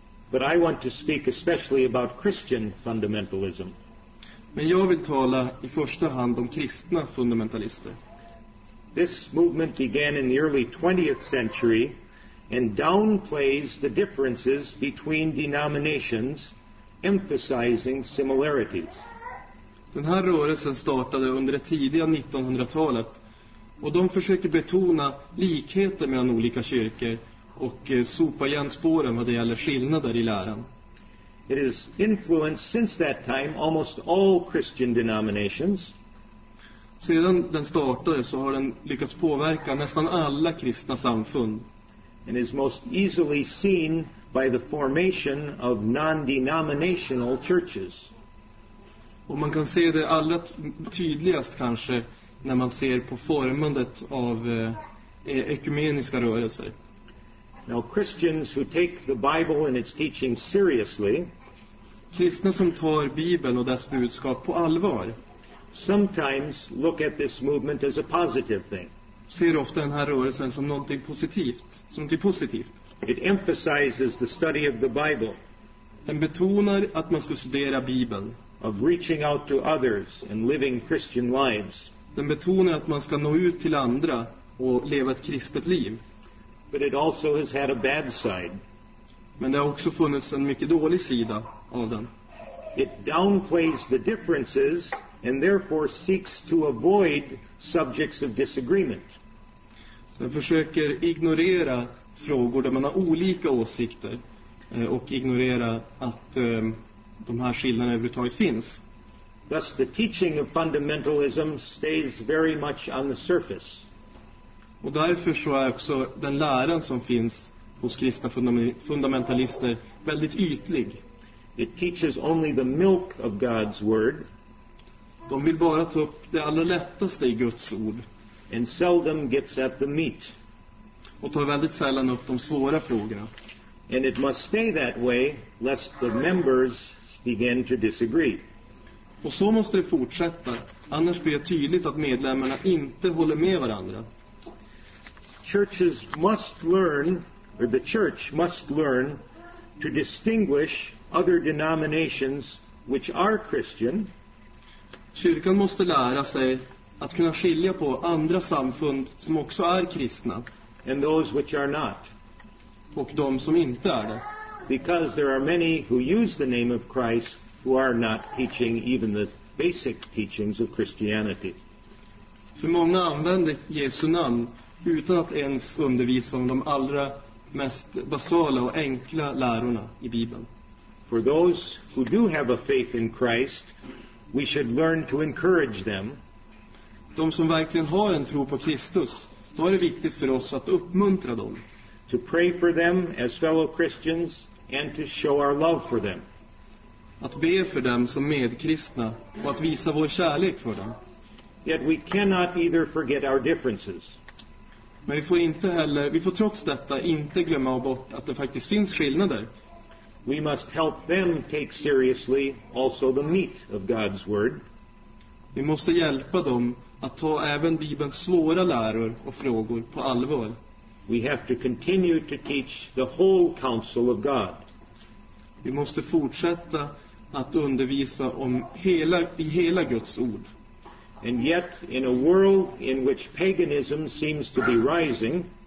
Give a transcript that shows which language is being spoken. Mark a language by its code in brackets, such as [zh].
[en] But I want to speak especially about Christian fundamentalism. [sv] Men jag vill tala i första hand om kristna fundamentalister. [en] This movement began in the early 20th century and downplays the differences between denominations, emphasizing similarities. [sv] Den här rörelsen startade under det tidiga 1900-talet och de försöker betona likheter mellan olika kyrkor och sopa igen spåren vad det gäller skillnader i läran. [en] It has influenced since that time almost all Christian denominations. [sv] Sedan den startade så har den lyckats påverka nästan alla kristna samfund. [en] And is most easily seen by the formation of non-denominational churches. [sv] Och man kan se det allra tydligast kanske när man ser på formandet av ekumeniska rörelser. [en] Now Christians who take the Bible and its teaching seriously, [sv] kristna som tar Bibeln och dess budskap på allvar, [en] sometimes look at this movement as a positive thing. [sv] Ser ofta den här rörelsen som någonting positivt, som någonting positivt. [en] It emphasizes the study of the Bible. [sv] Den betonar att man ska studera Bibeln. [en] Of reaching out to others and living Christian lives. [sv] Den betonar att man ska nå ut till andra och leva ett kristet liv. [en] But it also has had a bad side. [sv] Men det har också funnits en mycket dålig sida av den. [en] It downplays the differences and therefore seeks to avoid subjects of disagreement. [sv] Den försöker ignorera frågor där man har olika åsikter och ignorera att de här skillnaderna överhuvudtaget finns. [en] Thus the teaching of fundamentalism stays very much on the surface. [sv] Och därför så är också den läran som finns hos kristna fundamentalister väldigt ytlig. [en] It teaches only the milk of God's word. [sv] De vill bara ta upp det allra lättaste i Guds ord. [en] And seldom gets at the meat. [sv] Och tar väldigt sällan upp de svåra frågorna. [en] And it must stay that way lest the members begin to disagree. [sv] Och så måste det fortsätta, annars blir det tydligt att medlemmarna inte håller med varandra. [en] Churches must learn, or the church must learn, to distinguish other denominations which are Christian. [sv] Kyrkan måste lära sig att kunna skilja på andra samfund som också är kristna. [en] And those which are not. [sv] Och de som inte är det. [en] Because there are many who use the name of Christ who are not teaching even the basic teachings of Christianity. [sv] För många använder Jesu namn utan att ens undervisa om de allra mest basala och enkla lärorna i Bibeln. [en] For those who do have a faith in Christ, we should learn to encourage them. [sv] De som verkligen har en tro på Kristus, då är det viktigt för oss att uppmuntra dem. [en] To pray for them as fellow Christians and to show our love for them. [sv] Att be för dem som medkristna och att visa vår kärlek för dem. [en] Yet we cannot either forget our differences. [sv] Men vi får trots detta inte glömma bort att det faktiskt finns skillnader. [en] We must help them take seriously also the meat of God's word. [sv] Vi måste hjälpa dem att ta även Bibelns svåra läror och frågor på allvar. [en] We have to continue to teach the whole counsel of God. [sv] Vi måste fortsätta att undervisa om hela Guds ord. [en] And yet in a world in which paganism seems to be rising,